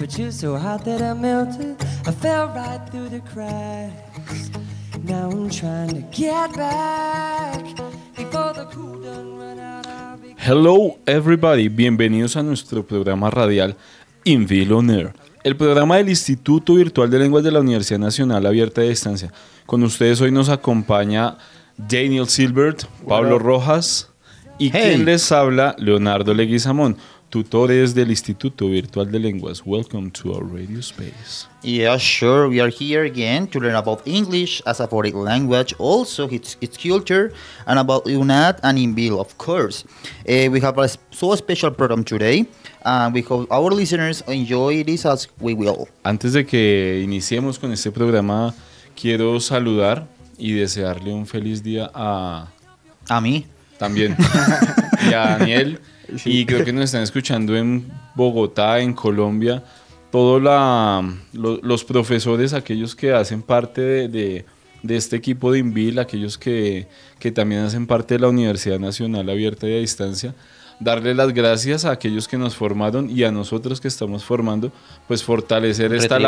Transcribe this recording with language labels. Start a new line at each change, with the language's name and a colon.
English: So hot that I melted, I fell right through the cracks. Now I'm trying to get back before the cool done run out. Hello everybody,
Spanish: bienvenidos a nuestro programa radial In Build On Air, el programa del Instituto Virtual de Lenguas de la Universidad Nacional Abierta de Distancia. Con ustedes hoy nos acompaña Daniel Silbert, Pablo Rojas y quien les habla, Leonardo Leguizamón, tutores del Instituto Virtual de Lenguas.
English: Welcome to our radio space. Yeah, sure. We are here again to learn about English as a foreign language, also its culture, and about UNAD and In Build, of course. We have a so special program today, and we hope our listeners enjoy this as we will.
Spanish: Antes de que iniciemos con este programa, quiero saludar y desearle un feliz día a... A mí. También. Y a Daniel. Sí. Y creo que nos están escuchando en Bogotá, en Colombia, todos los profesores, aquellos que hacen parte de este equipo de INVIL, aquellos que también hacen parte de la Universidad Nacional Abierta y a Distancia, darle las gracias a aquellos que nos formaron y a nosotros que estamos formando, pues fortalecer esta